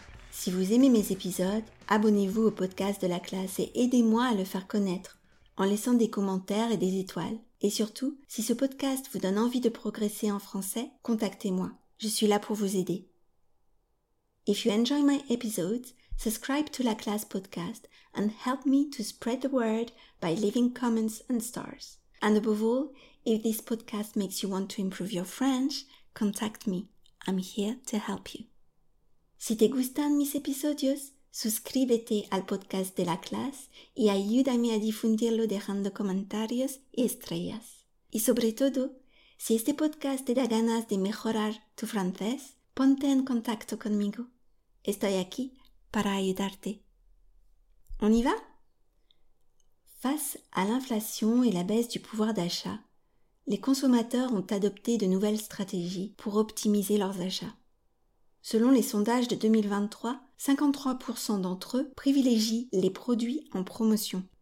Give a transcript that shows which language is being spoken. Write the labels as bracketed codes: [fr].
[fr] Si vous aimez mes épisodes, abonnez-vous au podcast de la classe et aidez-moi à le faire connaître en laissant des commentaires et des étoiles. Et surtout, si ce podcast vous donne envie de progresser en français, contactez-moi. Je suis là pour vous aider. [en] If you enjoy my episodes, subscribe to La Classe podcast and help me to spread the word by leaving comments and stars. And above all, if this podcast makes you want to improve your French, contact me. I'm here to help you. [es] Si te gustan mis episodios, suscríbete al podcast de La Classe y ayúdame a difundirlo dejando comentarios y estrellas. Y sobre todo, si este podcast te da ganas de mejorar tu francés, ponte en contacto conmigo. Estoy aquí para ayudarte. [fr] On y va? Face à l'inflation et la baisse du pouvoir d'achat, les consommateurs ont adopté de nouvelles stratégies pour optimiser leurs achats. Selon les sondages de 2023, 53% d'entre eux privilégient les produits en promotion.